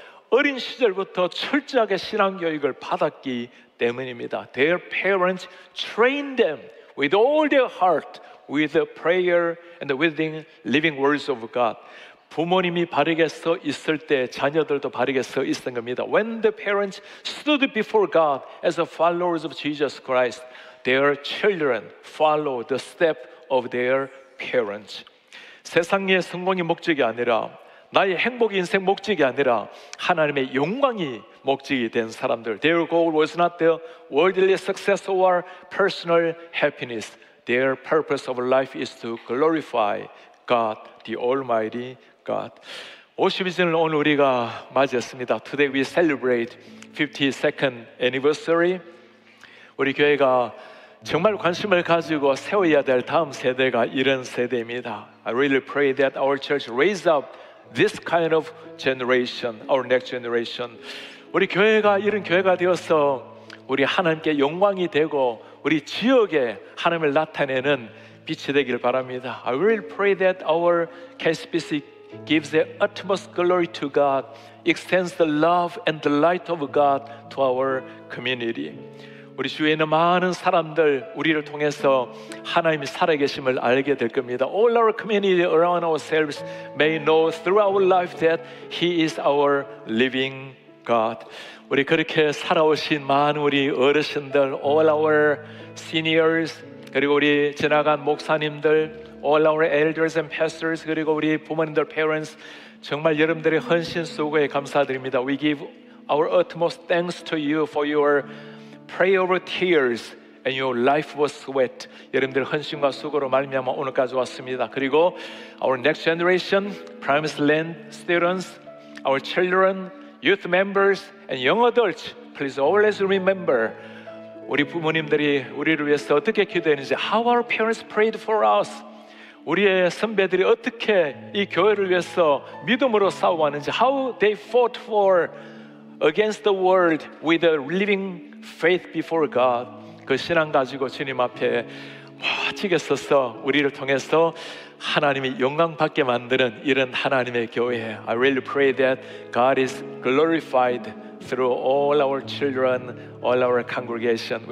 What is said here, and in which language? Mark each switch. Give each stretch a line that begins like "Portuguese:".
Korean: 어린 시절부터 철저하게 신앙 교육을 받았기 때문입니다.
English: Their parents trained them with all their heart with the prayer and the living words of God.
Korean: 부모님이 바르게 서 있을 때 자녀들도 바르게 서 있던 겁니다.
English: When the parents stood before God as the followers of Jesus Christ, their children followed the step of their parents.
Korean: 세상의 성공이 목적이 아니라 나의 행복 인생 목적이 아니라 하나님의 영광이 목적이 된 사람들.
English: Their goal was not the worldly success or personal happiness. Their purpose of life is to glorify God, the Almighty God.
Korean: 52주년을 오늘 우리가 맞이했습니다.
English: Today we celebrate 52nd anniversary.
Korean: 우리 교회가 정말 관심을 가지고 세워야 될 다음 세대가 이런 세대입니다.
English: I really pray that our church raise up this kind of generation, our next generation.
Korean: 우리 교회가 이런 교회가 되어서 우리 하나님께 영광이 되고 우리 지역에 하나님을 나타내는 빛이 되길 바랍니다.
English: I will pray that our KCBC gives the utmost glory to God, extends the love and the light of God to our community.
Korean: 우리 주위에 있는 많은 사람들 우리를 통해서 하나님이 살아계심을 알게 될 겁니다.
English: All our community around ourselves may know through our life that He is our living God.
Korean: 우리 그렇게 살아오신 많은 우리 어르신들,
English: all our seniors,
Korean: 그리고 우리 지나간 목사님들,
English: all our elders and pastors,
Korean: 그리고 우리 부모님들, parents, 정말 여러분들의 헌신 수고에 감사드립니다.
English: We give our utmost thanks to you for your prayer over tears and your life was sweat.
Korean: 여러분들 헌신과 수고로 말미암아 오늘까지 왔습니다. 그리고
English: our next generation, Promised Land students, our children, youth members and young adults, please always remember
Korean: 우리 부모님들이 우리를 위해서 어떻게 기도했는지,
English: how our parents prayed for us,
Korean: 우리의 선배들이 어떻게 이 교회를 위해서 믿음으로 싸워왔는지,
English: how they fought for against the world with a living faith before God.
Korean: 그 신앙 가지고 주님 앞에 멋지게 서서 우리를 통해서 하나님이 영광 받게 만드는 이런 하나님의 교회.
English: I really pray that God is glorified through all our children, all our congregation.